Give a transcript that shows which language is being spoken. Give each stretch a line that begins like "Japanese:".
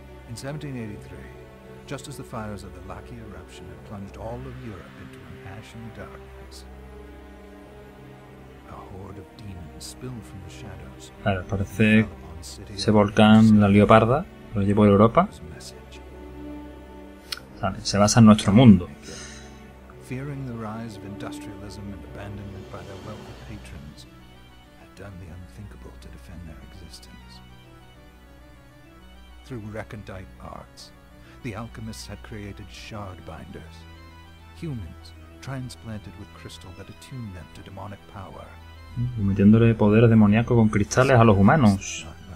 English: In 1783, just as the fires of the Lackey eruption had plunged all of Europe into an ashen darkness, a horde of demons spilled from the shadows.
Spanish: Claro, parece ese volcán, la leoparda, lo llevó a Europa. Vale, se basa en nuestro mundo.
English: Fearing the rise of industrialism and abandonment by their wealthy patrons, had done the unthinkable to defend their existence. Through recondite arts, the alchemists had created shard binders, humans transplanted with crystal that attuned them to demonic power.
Spanish: Metiéndole poder demoníaco con cristales a los humanos.